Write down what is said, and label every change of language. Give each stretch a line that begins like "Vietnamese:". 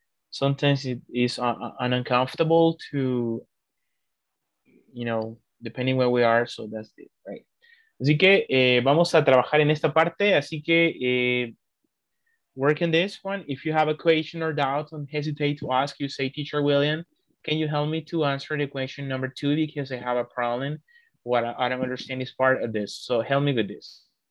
English: Sometimes it is uncomfortable to, you know, depending where we are, so that's it, right?
Spanish: Así que vamos a trabajar en esta parte. Así que
English: work in this one. If you have a question or doubt, don't hesitate to ask. You say, Teacher William, can you help me to answer the question number two? Because I have a problem. What I don't understand is part of this. So help me with this.